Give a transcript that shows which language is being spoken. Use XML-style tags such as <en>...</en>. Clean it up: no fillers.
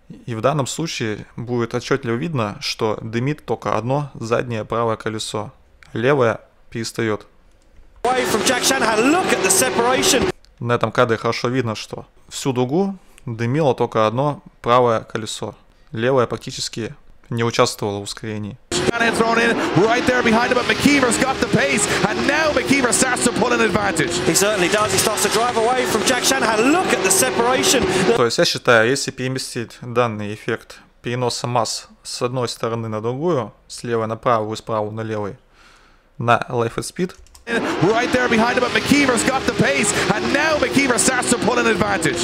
<ru>И в данном случае будет отчетливо видно, что дымит только одно заднее правое колесо. Левое перестает. На этом кадре хорошо видно, что всю дугу дымило только одно правое колесо. Левое практически не участвовало в ускорении.</ru> <en>Right there behind him, but McKeever's got the pace, and now McKeever starts to pull an advantage. He certainly does. He starts to drive away from Jack Shanahan. Look at the separation.</en> <ru>То есть я считаю, если переместить данный эффект переноса масс с одной стороны на другую, с левой на правую и с правой на левую, на</ru> <en>Life at Speed. Right there behind him, but McKeever's got the pace, and now McKeever starts to pull an advantage.</en>